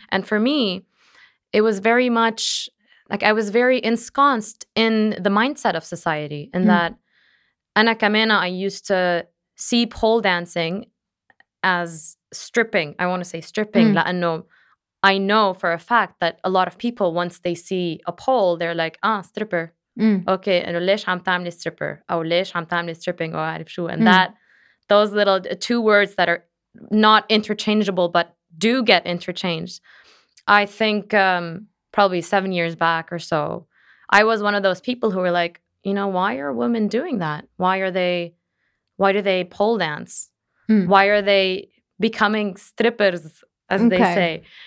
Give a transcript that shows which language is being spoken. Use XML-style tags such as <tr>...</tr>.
<en>And for me, it was very much, like I was very ensconced in the mindset of society, in that</en> <ar>أنا كمان,</ar> <en>I used to see pole dancing as stripping. I want to say stripping.</en> <ar>لأنه</ar> <en>I know for a fact that a lot of people, once they see a pole, they're like, ah, stripper. Okay, and</en> <ar>ليش عم تعملي stripper? أو ليش عم تعملي stripping? أو عارف شو.</ar> <en>And that, those little two words that are not interchangeable but do get interchanged. I think probably 7 years back or so, I was one of those people who were like, you know, why are women doing that? Why do they pole dance? Why are they becoming strippers, as they say?</en>